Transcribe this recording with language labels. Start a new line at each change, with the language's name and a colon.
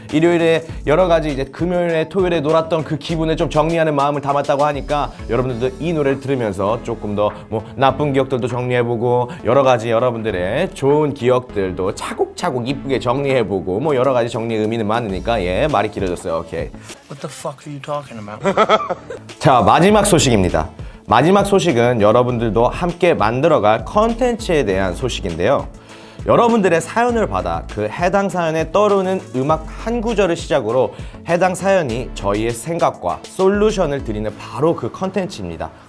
Korean: 일요일에 여러 가지 이제 금요일에 토요일에 놀았던 그 기분을 좀 정리하는 마음을 담았다고 하니까 여러분들도 이 노래를 들으면서 조금 더 뭐 나쁜 기억들도 정리해보고 여러 가지 여러분들의 좋은 기억들도 차곡차곡 이쁘게 정리해보고 뭐 여러 가지 정리 의미는 많으니까 예 말이 길어졌어요. 오케이.
English: What the fuck are you talking about?
Korean: 자, 마지막 소식입니다. 마지막 소식은 여러분들도 함께 만들어갈 컨텐츠에 대한 소식인데요. 여러분들의 사연을 받아 그 해당 사연에 떠오르는 음악 한 구절을 시작으로 해당 사연이 저희의 생각과 솔루션을 드리는 바로 그 컨텐츠입니다.